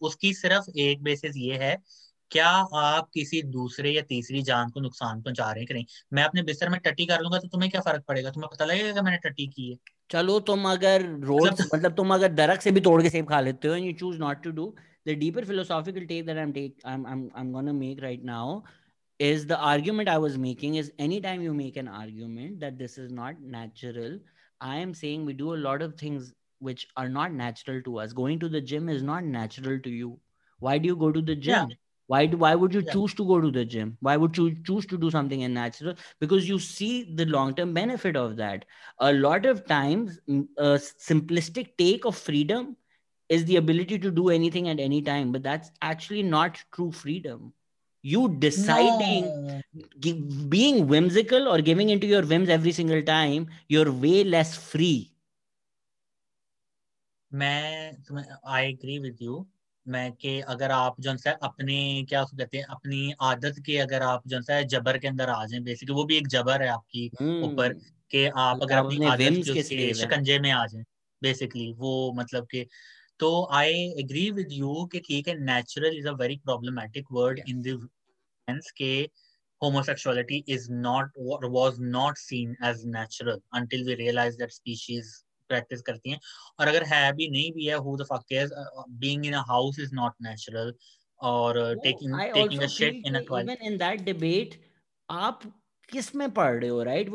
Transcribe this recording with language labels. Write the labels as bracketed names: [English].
[Hindi] उसकी सिर्फ एक basis ये है. क्या आप किसी दूसरे या तीसरी जान को नुकसान पहुंचा रहे हैं कि नहीं? मैं अपने बिस्तर में टट्टी कर लूंगा तो तुम्हें क्या फर्क पड़ेगा? तुम्हें पता लगेगा कि मैंने टट्टी की है? चलो तुम अगर रोड मतलब तुम अगर दरक से भी तोड़ के सेब खा लेते हो, [English] and you choose not to do, the deeper philosophical take that I'm gonna make right now is the argument I was making is anytime you make an argument that this is not natural. I am saying we do a lot of things which are not natural to us. Going to the gym is not natural to you. Why do you go to the gym? Yeah. Why would you choose to go to the gym? Why would you choose to do something unnatural? Because you see the long-term benefit of that. A lot of times, a simplistic take of freedom is the ability to do anything at any time. But that's actually not true freedom. You deciding, being whimsical or giving into your whims every single time, you're way less free. [Hindi] मैं तुम्हें [English] I agree with you. [Hindi] मैं के अगर आप जो है अपने क्या उसको कहते हैं अपनी आदत के अगर आप जो है जबर के अंदर आ जाए, बेसिकली वो भी एक जबर है आपकी ऊपर के आप अगर अपनी आदत के शिकंजे में आ जाए, बेसिकली वो मतलब के, तो [English] I agree with you [Hindi] कि ठीक है [English] natural is a very problematic word in the sense [Hindi] के [English] homosexuality is not or was not seen as natural until we realized that species practice [Hindi] karti hain. Aur agar hai bhi nahi bhi hai, [English] who the fuck cares? Being in a house is not natural. Or taking a shit in a toilet. Even in that debate, [Hindi] aap kis mein padh rahe ho, [English] right?